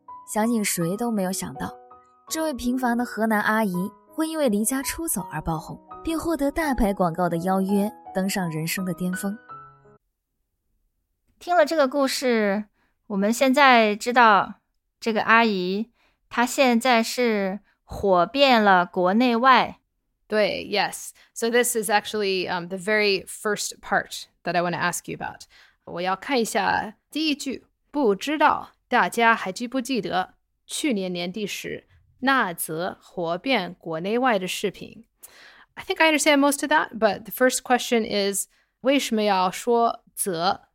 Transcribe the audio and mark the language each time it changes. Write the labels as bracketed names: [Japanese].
[Chinese] 相信谁都没有想到，这位平凡的河南阿姨会因为离家出走而爆红，并获得大牌广告的邀约，登上人生的巅峰。听了这个故事，我们现在知道这个阿姨她现在是火遍了国内外。对 ， [English] yes. So this is actually the very first part that I want to ask you about. [Chinese] 我要看一下第一句，不知道大家还记不记得去年年底时。那则火遍国内外的视频。 [English] I think I understand most of that, but the first question is, [Chinese] 为什么要说则？